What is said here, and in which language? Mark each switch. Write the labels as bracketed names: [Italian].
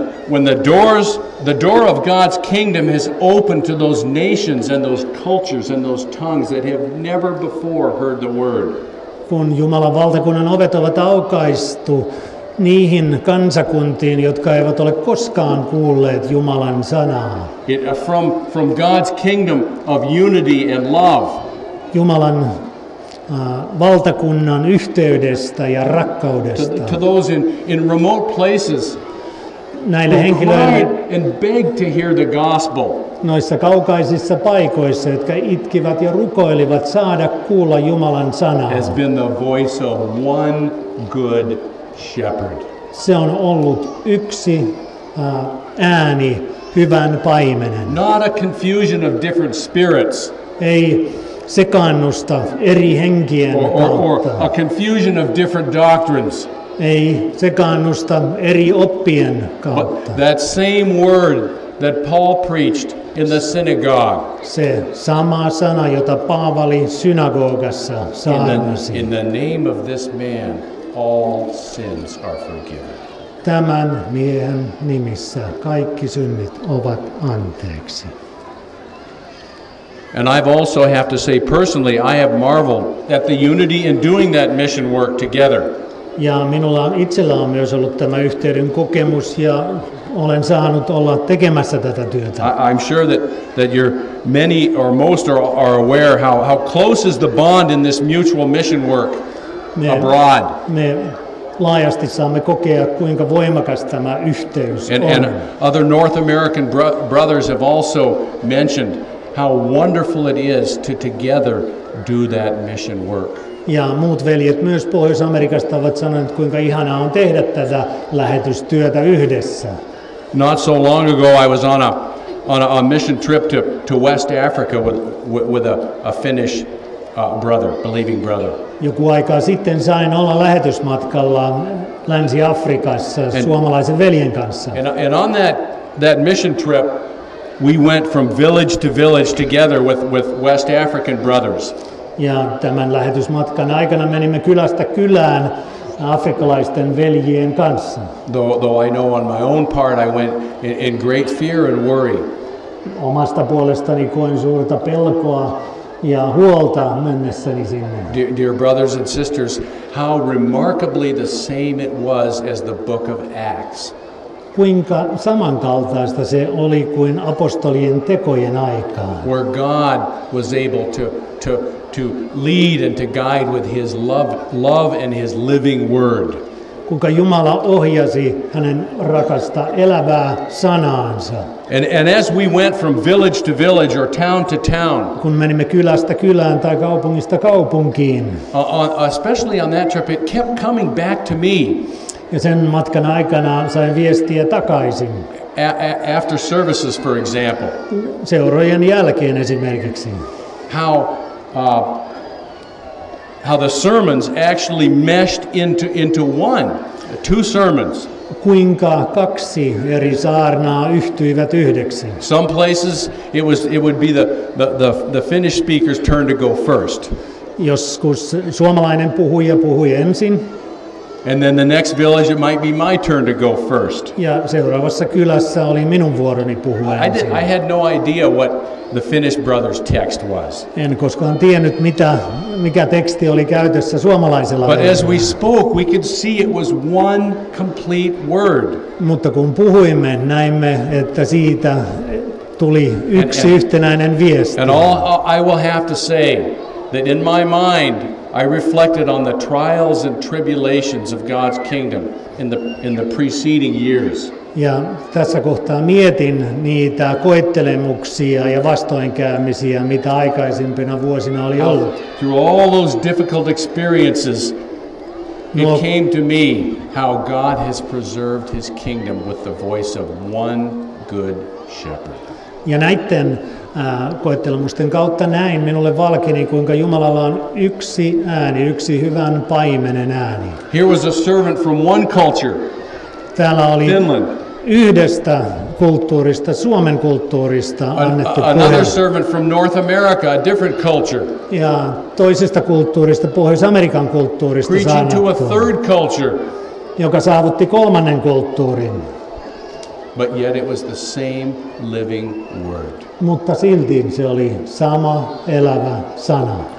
[English] When the doors, the door of God's kingdom has opened to those nations and those cultures and those tongues that have never before heard the word. [Finnish] Kun Jumalan valtakunnan ovet ovat aukaistu niihin kansakuntiin, jotka eivät ole koskaan kuulleet Jumalan sanaa. [English] From God's kingdom of unity and love. [Finnish] Jumalan valtakunnan yhteydestä ja rakkaudesta. [English] To those in remote places. [Finnish] Näille henkilöille [English] and beg to hear the gospel. [Finnish] Noissa kaukaisissa paikoissa, jotka itkivät ja rukoilivat saada kuulla Jumalan sanaa. [English] Has been the voice of one good shepherd. [Finnish] Se on ollut yksi ääni hyvän paimenen. [English] Not a confusion of different spirits. [Finnish] Ei sekaannusta eri henkien kautta. [English] Or a confusion of different doctrines. [Finnish] Ei sekaannusta eri oppien kautta. [English] But that same word that Paul preached in the synagogue. [Finnish] Se sama sana, jota Paavali synagogassa saarnasi. [English] In the name of this man, all sins are forgiven. [Finnish] Tämän miehen nimissä kaikki synnit ovat anteeksi. [English] And I've also have to say personally, I have marveled at the unity in doing that mission work together. [Finnish] Ja minulla itsellä on myös ollut tämä yhteyden kokemus ja olen saanut olla tekemässä tätä työtä. [English] I'm sure that you're many or most are aware how close is the bond in this mutual mission work abroad. [Finnish] Me laajasti saamme kokea, kuinka voimakas tämä yhteys on. [English] And other North American brothers have also mentioned how wonderful it is to together do that mission work. [Finnish] Ja muut veljet myös Pohjois-Amerikasta ovat sanoneet, kuinka ihanaa on tehdä tätä lähetystyötä yhdessä. [English] Not so long ago I was on a mission trip to West Africa with a Finnish brother, believing brother. [Finnish] Joku aikaa sitten sain olla lähetysmatkalla Länsi-Afrikassa suomalaisen veljen kanssa. [English] And on that mission trip we went from village to village together with West African brothers. [Finnish] Ja tämän lähetysmatkan aikana menimme kylästä kylään afrikkalaisten veljien kanssa. [English] Though I know on my own part I went in great fear and worry. [Finnish] Omasta puolestani koin suurta pelkoa ja huolta mennessäni sinne. [English] Dear brothers and sisters, how remarkably the same it was as the book of Acts. [Finnish] kuinka samankaltaista se oli kuin apostolien tekojen aikaan. [English] Where God was able to lead and to guide with his love and his living word. [Finnish] Kuinka Jumala ohjasi hänen rakasta elävää sanaansa. [English] And as we went from village to village or town to town. [Finnish] Kun menimme kylästä kylään tai kaupungista kaupunkiin. [English] Especially on that trip it kept coming back to me. [Finnish] Ja sen matkan aikana sain viestiä takaisin. [English] After services, for example. [Finnish] Seurojen jälkeen esimerkiksi. [English] How the sermons actually meshed into one, two sermons. [Finnish] Kuinka kaksi eri saarnaa yhtyivät yhdeksi. [English] Some places it would be the Finnish speaker's turn to go first. [Finnish] Joskus suomalainen puhuja puhui ensin. [English] And then the next village, it might be my turn to go first. [Finnish] Ja seuraavassa kylässä oli minun vuoroni puhua ensin. [English] I had no idea what the Finnish brother's text was. [Finnish] En koskaan tiennyt, mikä teksti oli käytössä suomalaisella. [English] But as we spoke, we could see it was one complete word. [Finnish] Mutta kun puhuimme, näimme, että siitä tuli yksi yhtenäinen viesti. [English] And all I will have to say that in my mind, I reflected on the trials and tribulations of God's kingdom in the preceding years. [Finnish] Ja tässä kohtaa mietin niitä koettelemuksia ja vastoinkäymisiä, mitä aikaisempina vuosina oli ollut. [English] Through all those difficult experiences, it came to me how God has preserved his kingdom with the voice of one good shepherd. [Finnish] Ja näitten koettelemusten kautta näin minulle valkeni, kuinka Jumalalla on yksi ääni, yksi hyvän paimenen ääni. [English] Here was a servant from one culture. [Finnish] Täällä oli Finland. Yhdestä kulttuurista, Suomen kulttuurista annettu puhe. [English] Another servant from North America, a different culture. [Finnish] Ja toisesta kulttuurista, Pohjois-Amerikan kulttuurista saarnattu. [English] Preaching to a third culture. [Finnish] Joka saavutti kolmannen kulttuurin. [English] But yet it was the same living word. [Finnish] Mutta silti se oli sama elävä sana.